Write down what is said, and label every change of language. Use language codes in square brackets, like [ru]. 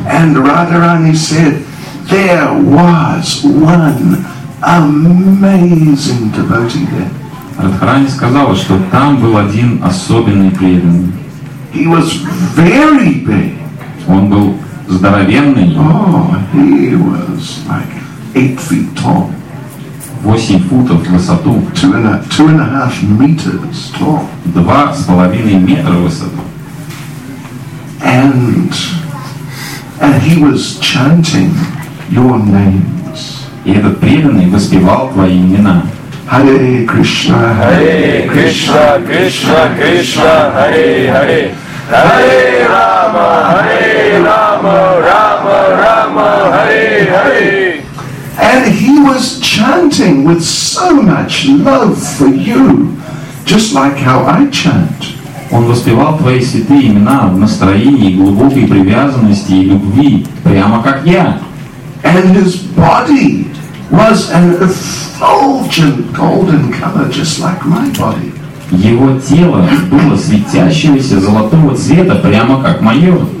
[en] And Radharani said, there was one amazing devotee there. [ru] Радхарани сказала, что там был один особенный преданный. [en] He was very big. [ru] Он был здоровенный. [en] Oh, he was like 8 feet tall. [ru] 8 футов в высоту. [en] 2.5 meters tall. [ru] 2.5 метра в высоту. [en] And he was chanting your names. [ru] И этот преданный воспевал твои имена. [en] Hare Krishna, Hare Krishna, Krishna Krishna, Hare Hare. Hare Rama, Hare Rama, Rama Rama, Hare Hare. And he was chanting with so much love for you, just like how I chant. [ru] Он воспевал твои святые имена в настроении глубокой привязанности и любви, прямо как я. [en] And his body was an effulgent golden color, just like my body. [ru] Его тело было светящегося золотого цвета, прямо как мое.